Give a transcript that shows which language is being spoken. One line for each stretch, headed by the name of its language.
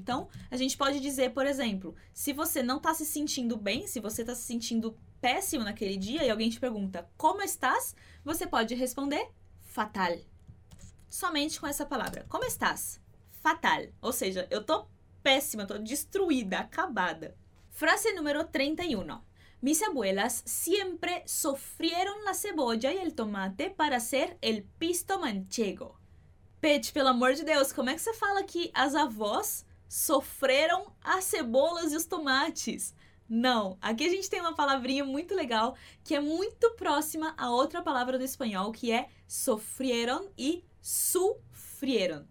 Portuguese: Então, a gente pode dizer, por exemplo, se você não está se sentindo bem, se você está se sentindo péssimo naquele dia e alguém te pergunta
Spanish: como estás,
Portuguese: você pode responder fatal. Somente com essa palavra.
Spanish: Como estás? Fatal.
Portuguese: Ou seja, eu estou péssima, estou destruída, acabada. Frase número 31.
Spanish: Mis abuelas siempre sufrieron la cebolla y el tomate para hacer el pisto manchego.
Portuguese: Pete, pelo amor de Deus, como é que você fala que as avós sofreram as cebolas e os tomates? Não, aqui a gente tem uma palavrinha muito legal que é muito próxima a outra palavra do espanhol, que é sofrieron e sufrieron.